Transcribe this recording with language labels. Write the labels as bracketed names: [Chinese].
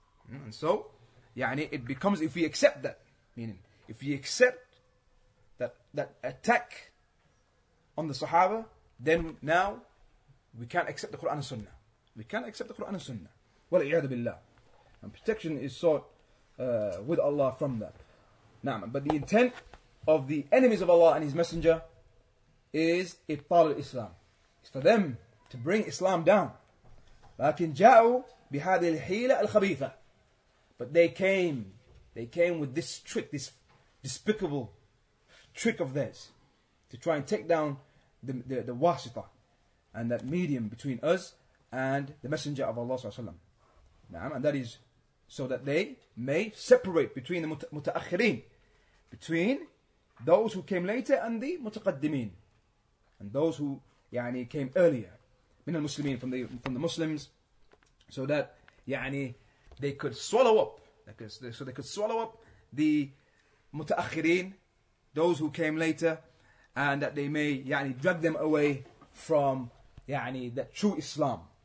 [English] And so, يعني, it becomes, if we accept that, meaning, if we accept that attack on the Sahaba, then now we can't accept the Quran and Sunnah. We can't accept the Quran and Sunnah. Well, [Arabic] iyadu billah. [English] And protection is sought with Allah from that. Na'am. But the intent of the enemies of Allah and His Messenger is [Arabic] ibtal al-Islam. [English] It's for them to bring Islam down. [Arabic] لكن جاءوا بهذه الحيلة الخبيثة. [English] But they came with this trick, this despicable trick of theirs, to try and take down the wasita and that medium between us and the Messenger of Allah sallallahu alaihi wasallam. And that is so that they may separate between the mutaakhirin, between those who came later and the mutaqaddimin, and those who يعني came earlier, [Arabic] من المسلمين, [English] from the Muslims, so that يعني they could swallow up, so they could swallow up the mutaakhirin, those who came later, and that they may يعني drag them away from يعني the true Islam.